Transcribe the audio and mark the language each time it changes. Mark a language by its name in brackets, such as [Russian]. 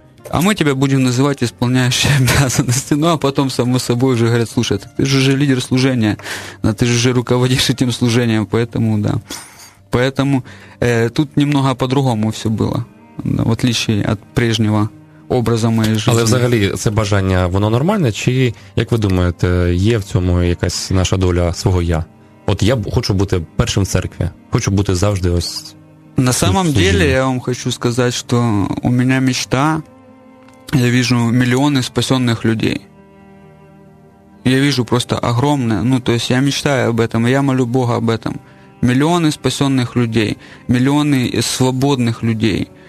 [Russian] а мы тебя будем называть исполняющие обязанности. Ну, а потом, само собой, уже говорят, слушай, ты же уже лидер служения, а ты же уже руководишь этим служением, поэтому, да. Поэтому тут немного по-другому все было, в отличие от прежнего образа моей жизни. [Ukrainian] Але взагалі це бажання, воно нормальне? Чи, як ви думаєте, є в цьому якась наша доля свого «я»? От я хочу бути першим в церкві, хочу бути завжди ось... [Russian] На самом деле, я вам хочу сказать, что у меня мечта, я вижу миллионы спасенных людей. Я вижу просто огромное, ну, то есть я мечтаю об этом, я молю Бога об этом. Миллионы спасенных людей, миллионы свободных людей.